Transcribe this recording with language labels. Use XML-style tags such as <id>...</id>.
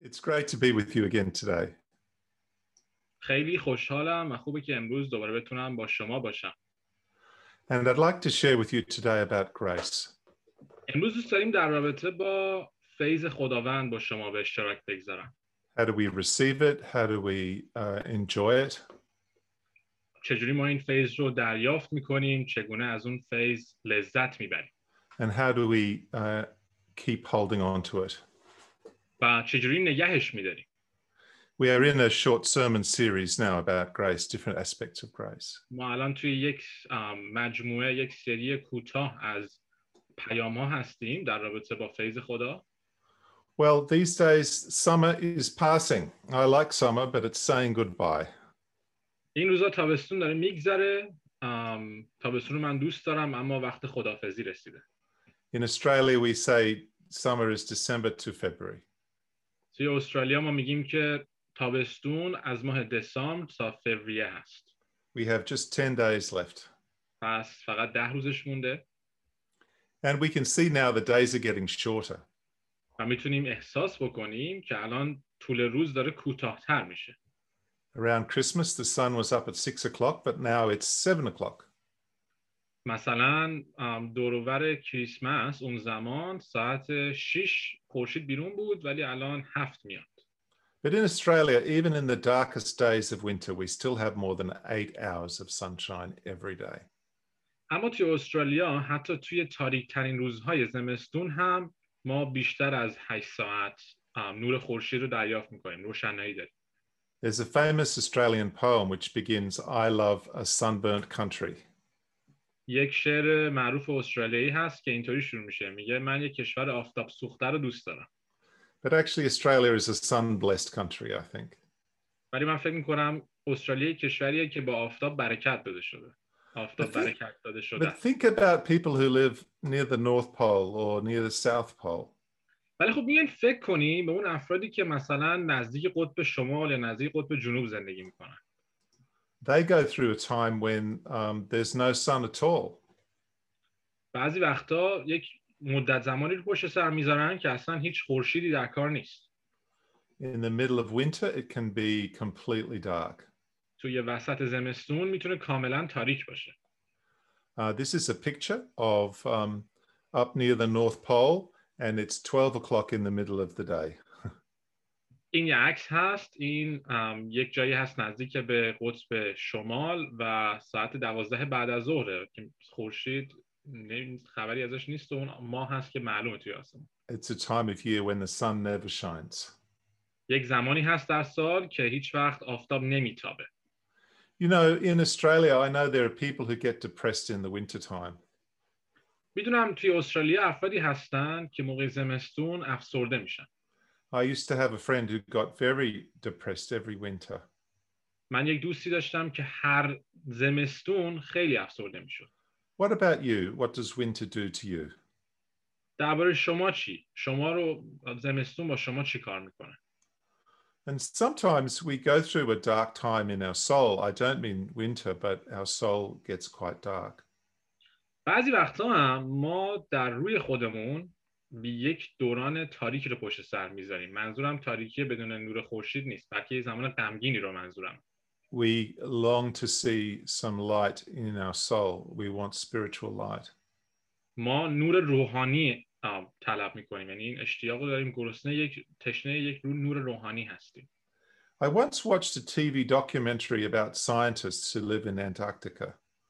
<en>It's great to be with you again today.</en> <fa>خیلی خوشحالم و خوبه که امروز دوباره بتونم با شما باشم.</fa> <en>And I'd like to share with you today about grace.</en> <fa>امروز دوست داریم در رابطه با فیض خداوند با شما به اشتراک بگذارم.</fa> <en>How do we receive it? How do we enjoy it?</en> <fa>چجوری ما این فیض رو دریافت می‌کنیم؟ چگونه از اون فیض لذت می‌بریم؟</fa> <en>And how do we keep holding on to it?</en> <fa>و چجوری نگهش می‌داریم؟</fa> <en>We are in a short sermon series now about grace, different aspects of grace.</en> <fa>ما الان توی یک مجموعه، یک سری کوتاه از پیام‌ها هستیم در رابطه با فیض خدا.</fa> <en>Well, these days summer is passing. I like summer, but it's saying goodbye.</en> <fa>این روزا تابستون داره می‌گذره. تابستون رو من دوست دارم، اما وقت خدافظی رسیده.</fa> <en>In Australia we say summer is December to February.</en> <fa>توی استرالیا ما میگیم که تابستون از ماه دسامبر تا فوریه هست.</fa> <en>We have just 10 days left.</en> <fa>پس فقط 10 روزش مونده.</fa> <en>And we can see now the days are getting shorter.</en> <fa>ما میتونیم احساس بکنیم که الان طول روز داره کوتاه‌تر میشه.</fa> <en>Around Christmas the sun was up at 6 o'clock but now it's 7 o'clock.</en> <fa>مثلا دور و بر کریسمس اون زمان ساعت 6 خورشید بیرون بود ولی الان 7 میاد.</fa> <en>But in Australia, even in the darkest days of winter, we still have more than 8 hours of sunshine every day.</en> <fa>اما توی استرالیا، حتی توی تاریک‌ترین روزهای زمستون هم ما بیشتر از 8 ساعت نور خورشید رو دریافت می‌کنیم، روشنایی داریم.</fa> <en>There's a famous Australian poem which begins, "I love a sunburnt country."</en> <fa>یک شعر معروف استرالیایی هست که اینطوری شروع میشه. میگه من یک کشور آفتاب سوخته رو دوست دارم.</fa> <en>But actually Australia is a sun-blessed country, I think.</en> <fa>ولی من فکر می‌کنم استرالیا کشوریه که با آفتاب برکت داده شده. آفتاب برکت داده شده.</fa> <en>But think about people who live near the North Pole or near the South Pole.</en> <fa>ولی خب بیاین فکر کنی به اون افرادی که مثلا نزدیک قطب شمال یا نزدیک قطب جنوب زندگی می‌کنن.</fa> <en>They go through a time when there's no sun at all.</en> <fa>بعضی وقتا یک مدت زمانی رو پشت سر میذارن که اصلا هیچ خورشیدی در کار نیست.</fa> <en>In the middle of winter it can be completely dark.</en> <fa>توی وسط زمستون میتونه کاملا تاریک باشه.</fa> <en>This is a picture of up near the North Pole and it's 12 o'clock in the middle of the day.</en> <fa>این یه عکس هست، این یک جایی هست نزدیک به قطب شمال و ساعت 12 بعد از ظهره که خورشید خبری ازش نیست و اون ماه هست که معلومه توی آسمان.</fa> <en>It's a time of year when the sun never shines.</en> <fa>یک زمانی هست در سال که هیچ وقت آفتاب نمیتابه.</fa> <en>You know, in Australia, I know there are people who get depressed in the winter time.</en> <fa>میدونم توی استرالیا افرادی هستن که موقع زمستون افسرده میشن.</fa> <en>I used to have a friend who got very depressed every winter.</en> <fa>من یک دوستی داشتم که هر زمستون خیلی افسرده میشد.</fa> <en>What about you? What does winter do to you?</en> <fa>درباره شما چی؟ شما رو زمستون با شما چی کار میکنه؟</fa> <en>And sometimes we go through a dark time in our soul. I don't mean winter, but our soul gets quite dark.</en> <fa>بعضی وقتا هم ما در روی خودمون به یک دوران تاریکی رو پشت سر میذاریم. منظورم تاریکی بدون نور خورشید نیست، بلکه یه زمان غمگینی رو منظورم.</fa> <en>We long to see some light in our soul. We want spiritual light.</en> <fa>ما نور روحانی طلب می‌کنیم. یعنی این اشتیاق داریم گرسنه یک تشنه یک نور روحانی هستیم.</fa> <en>I once watched a TV documentary about scientists who live in Antarctica.</en>